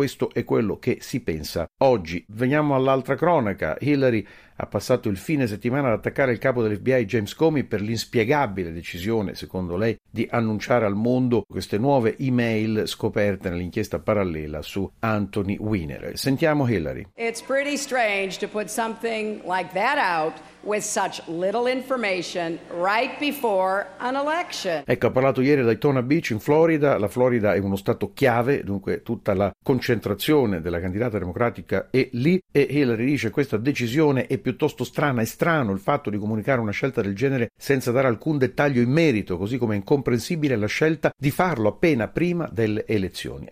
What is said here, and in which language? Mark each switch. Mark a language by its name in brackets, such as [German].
[Italian] Questo è quello che si pensa oggi. Veniamo all'altra cronaca. Hillary ha passato il fine settimana ad attaccare il capo dell'FBI James Comey per l'inspiegabile decisione, secondo lei, di annunciare al mondo queste nuove email scoperte nell'inchiesta parallela su Anthony Weiner. Sentiamo Hillary. [English] It's pretty strange to put something like that out with such little information right before an election. [Italian] Ecco, ha parlato ieri a Daytona Beach in Florida. La Florida è uno stato chiave, dunque tutta la concentrazione della candidata democratica è lì. E Hillary dice: questa decisione è piuttosto strana. È strano il fatto di comunicare una scelta del genere senza dare alcun dettaglio in merito, così come è incomprensibile la scelta di farlo appena prima delle elezioni.